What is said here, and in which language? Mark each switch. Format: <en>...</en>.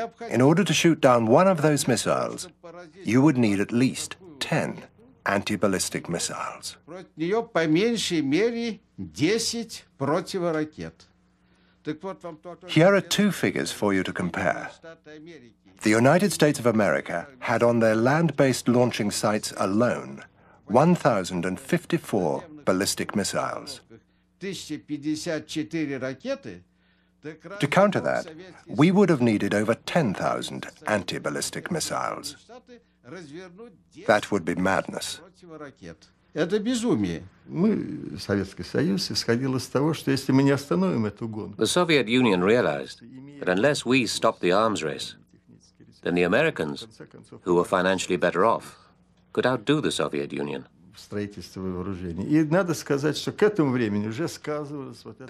<en>In order to shoot down one of those missiles, you would need at least 10 anti-ballistic missiles.</en> <ru>Против нее по меньшей мере 10 противоракет.</ru> <en>Here are two figures for you to compare. The United States of America had on their land-based launching sites alone 1,054 ballistic missiles. To counter that, we would have needed over 10,000 anti-ballistic missiles. That would be madness.</en> <ru>Это безумие. Мы, Советский Союз, исходил из того, что если мы не остановим эту гонку.</ru> <en>The Soviet Union realized that unless we stop the arms race, then the Americans, who were financially better off, could outdo the Soviet Union.</en> <ru>Строительство вооружений. И надо сказать, что к этому времени уже сказывалось вот это.</ru>